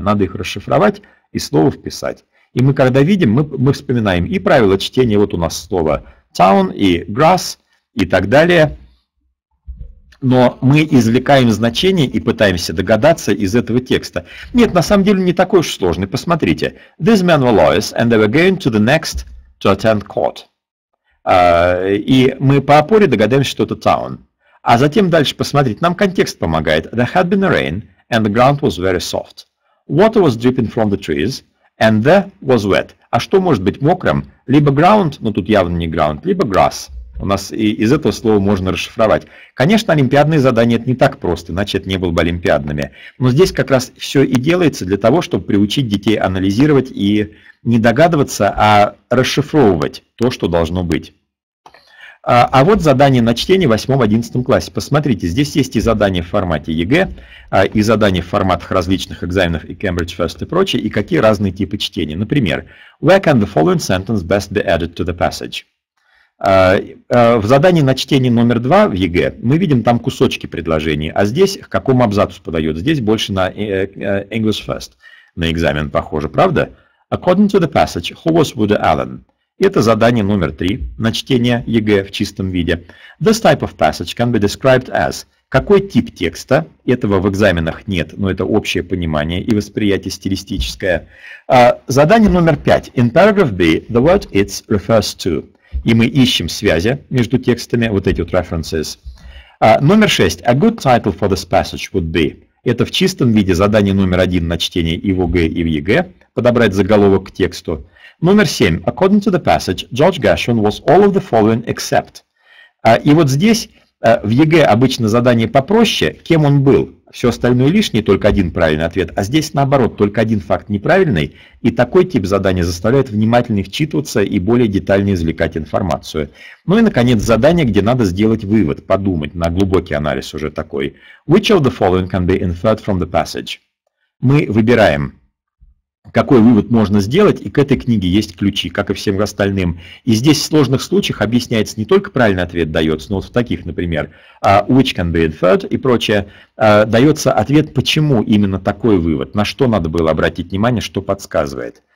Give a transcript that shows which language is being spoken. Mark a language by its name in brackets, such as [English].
[Russian] Надо их расшифровать и слово вписать. И мы когда видим, мы вспоминаем и правила чтения. Вот у нас слово town и grass и так далее. Но мы извлекаем значение и пытаемся догадаться из этого текста. Нет, на самом деле не такой уж сложный. Посмотрите. [English] These men were lawyers, and they were going to the next to attend court. [Russian] И мы по опоре догадаемся, что это town. А затем дальше посмотрите. Нам контекст помогает. [English] There had been a rain, and the ground was very soft. Water was dripping from the trees, and there was wet. [Russian] А что может быть мокрым? Либо ground, но тут явно не ground, либо grass. У нас и из этого слова можно расшифровать. Конечно, олимпиадные задания – это не так просто, иначе это не было бы олимпиадными. Но здесь как раз все и делается для того, чтобы приучить детей анализировать и не догадываться, а расшифровывать то, что должно быть. А вот задание на чтение в 8-11 классе. Посмотрите, здесь есть и задания в формате ЕГЭ, и задания в форматах различных экзаменов и Cambridge First и прочее, и какие разные типы чтения. [English] Например, «Where can the following sentence best be added to the passage?» [Russian] В задании на чтение номер 2 в ЕГЭ мы видим там кусочки предложений, а здесь к какому абзацу подает? Здесь больше на English First, на экзамен похоже, правда? [English] According to the passage, who was Woody Allen? [Russian] Это задание номер 3 на чтение ЕГЭ в чистом виде. [English] This type of passage can be described as. [Russian] Какой тип текста? Этого в экзаменах нет, но это общее понимание и восприятие стилистическое. Задание номер 5. [English] In paragraph B, the word it refers to. [Russian] И мы ищем связи между текстами, вот эти вот references. Номер 6. [English] A good title for this passage would be. [Russian] Это в чистом виде задание номер 1 на чтение и в ОГЭ, и в ЕГЭ. Подобрать заголовок к тексту. Номер 7. [English] According to the passage, George Gershwin was all of the following except. [Russian] И вот здесь в ЕГЭ обычно задание попроще. Кем он был? Все остальное лишнее, только один правильный ответ. А здесь наоборот, только один факт неправильный. И такой тип задания заставляет внимательнее вчитываться и более детально извлекать информацию. Ну и, наконец, задание, где надо сделать вывод, подумать, на глубокий анализ уже такой. [English] Which of the following can be inferred from the passage? [Russian] Мы выбираем какой вывод можно сделать, и к этой книге есть ключи, как и всем остальным. И здесь в сложных случаях объясняется не только правильный ответ дается, но вот в таких, например, [English] which can be inferred [Russian] и прочее, дается ответ, почему именно такой вывод, на что надо было обратить внимание, что подсказывает.